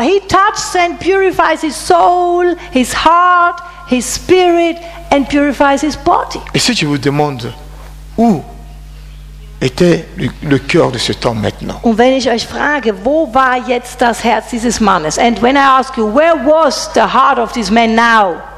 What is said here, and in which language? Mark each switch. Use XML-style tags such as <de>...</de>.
<en>He touches and purifies his soul, his heart, his spirit and purifies his body.</en> <fr>Et si tu vous demandes où était le cœur de cet homme maintenant?</fr> <de>Und wenn ich euch frage, wo war jetzt das Herz dieses Mannes?</de> <en>And when I ask you, where was the heart of this man now?</en>